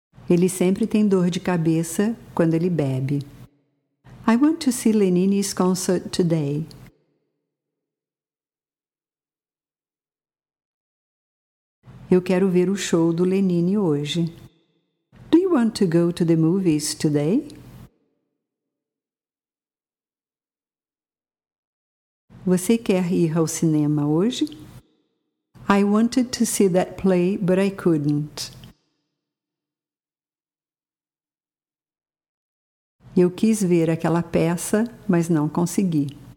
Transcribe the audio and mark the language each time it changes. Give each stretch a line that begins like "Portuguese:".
Portuguese: Ele sempre tem dor de cabeça quando ele bebe.
English: I want to see Lenini's concert today.
Portuguese: Eu quero ver o show do Lenine hoje.
English: Do you want to go to the movies today?
Portuguese: Você quer ir ao cinema hoje?
English: I wanted to see that play, but I couldn't.
Portuguese: Eu quis ver aquela peça, mas não consegui.